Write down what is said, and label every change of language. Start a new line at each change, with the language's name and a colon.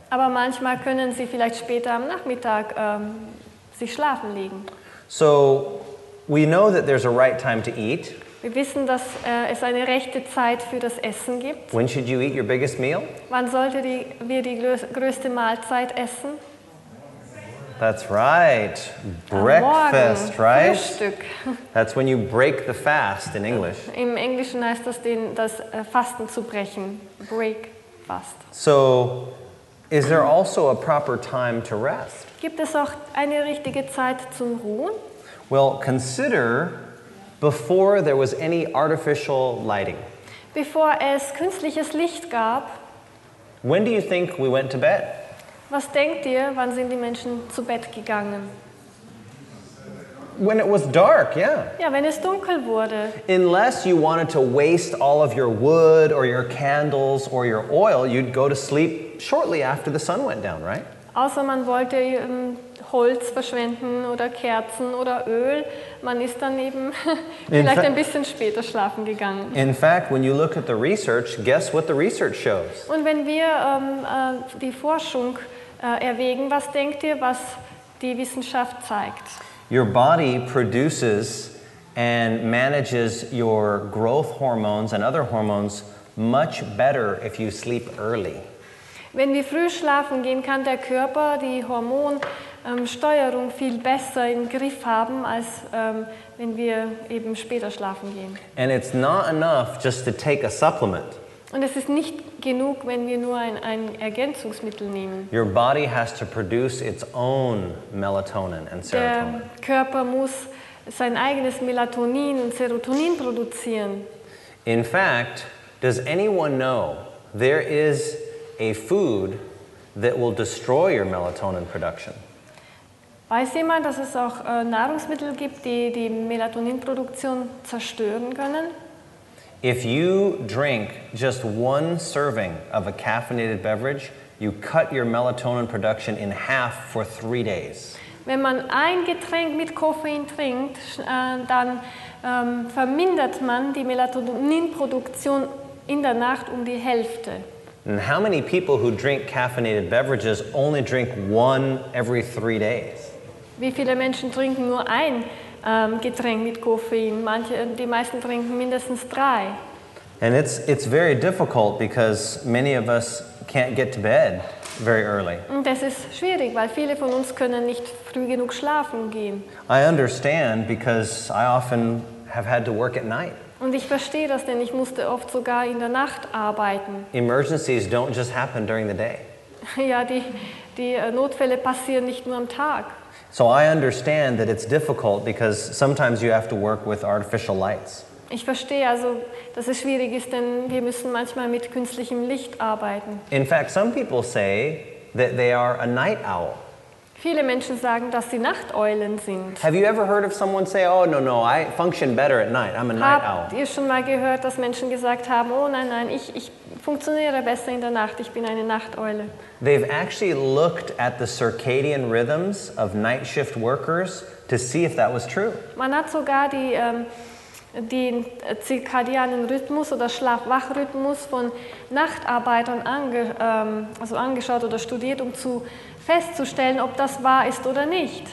German: Aber manchmal können sie vielleicht später am Nachmittag sich schlafen legen.
English: So we know that there's a right time to eat.
German: Wir wissen, dass es eine rechte Zeit für das Essen gibt.
English: When should you eat your biggest meal?
German: Wann sollte wir die größte Mahlzeit essen?
English: That's right. Breakfast, right?
German: Frühstück.
English: That's when you break the fast in English.
German: Im Englischen heißt das das Fasten zu brechen.
English: Break fast. So, is there also a proper time to rest?
German: Gibt es auch eine richtige Zeit zum Ruhen?
English: Well, consider before there was any artificial lighting.
German: Bevor es künstliches Licht gab.
English: When do you think we went to bed?
German: Was denkt ihr, wann sind die Menschen zu Bett gegangen?
English: When it was dark, yeah.
German: Ja, wenn es dunkel wurde.
English: Unless you wanted to waste all of your wood or your candles or your oil, you'd go to sleep shortly after the sun went down, right?
German: Außer man wollte Holz verschwenden oder Kerzen oder Öl, man ist dann eben vielleicht ein bisschen später schlafen gegangen.
English: In fact, when you look at the research, guess what the research shows?
German: Und wenn wir die Forschung erwägen, was denkt ihr, was die Wissenschaft zeigt?
English: Your body produces and manages your growth hormones and other hormones much better if you sleep early.
German: Wenn wir früh schlafen gehen, kann der Körper die Hormon Steuerung viel besser im Griff haben, als wenn wir eben später schlafen gehen.
English: And it's not enough just to take a supplement.
German: Und es ist nicht genug, wenn wir nur ein Ergänzungsmittel nehmen.
English: Your body has to produce its own melatonin and serotonin.
German: Der Körper muss sein eigenes Melatonin und Serotonin produzieren.
English: In fact, does anyone know there is a food that will destroy your melatonin production?
German: Weiß jemand, dass es auch Nahrungsmittel gibt, die Melatoninproduktion zerstören können?
English: If you drink just one serving of a caffeinated beverage, you cut your melatonin production in half for 3 days.
German: Wenn man ein Getränk mit Koffein trinkt, dann vermindert man die Melatoninproduktion in der Nacht die Hälfte.
English: And how many people who drink caffeinated beverages only drink one every 3 days?
German: Wie viele Menschen trinken nur ein Getränk mit Koffein? Die meisten trinken mindestens 3.
English: And it's very difficult because many of us can't get to bed very early.
German: Und das ist schwierig, weil viele von uns können nicht früh genug schlafen gehen.
English: I understand because I often have had to work at night.
German: Und ich verstehe das, denn ich musste oft sogar in der Nacht arbeiten.
English: Emergencies don't just happen during the day.
German: Ja, die Notfälle passieren nicht nur am Tag.
English: So I understand that it's difficult because sometimes you have to work with artificial lights.
German: Ich verstehe also, dass es schwierig ist, denn wir müssen manchmal mit künstlichem Licht arbeiten.
English: In fact, some people say that they are a night owl.
German: Viele Menschen sagen, dass sie Nachteulen sind.
English: Have you ever heard of someone say, oh no no, I function better at night, I'm a night owl?
German: Habt ihr schon mal gehört, dass Menschen gesagt haben, oh nein nein, ich funktioniere besser in der Nacht, ich bin eine Nachteule?
English: They've actually looked at the circadian rhythms of night shift workers to see if that was true.
German: Man hat sogar den zirkadianen Rhythmus oder Schlaf-Wach-Rhythmus von Nachtarbeitern angeschaut oder studiert, um zu festzustellen, ob das wahr ist oder nicht.